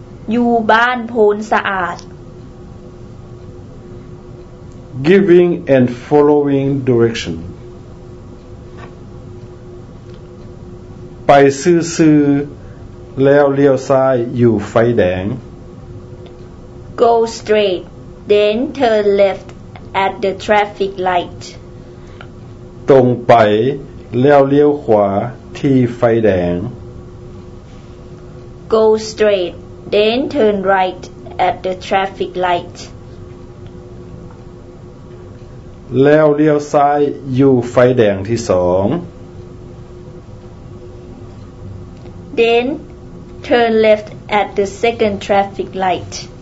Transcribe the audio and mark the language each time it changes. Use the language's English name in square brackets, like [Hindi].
[Thai] อยู่บ้านโพนสะอาด [English] Giving and following direction [Thai] ไปซื่อๆแล้วเลี้ยวซ้ายอยู่ไฟแดง [English] Go straightThen turn left at the traffic light. [Thai] ตรงไปแล้วเลี้ยวขวาที่ไฟแดง [English] Go straight, then turn right at the traffic light. [Thai] แล้วเลี้ยวซ้ายอยู่ไฟแดงที่สอง [English] Then turn left at the second traffic light.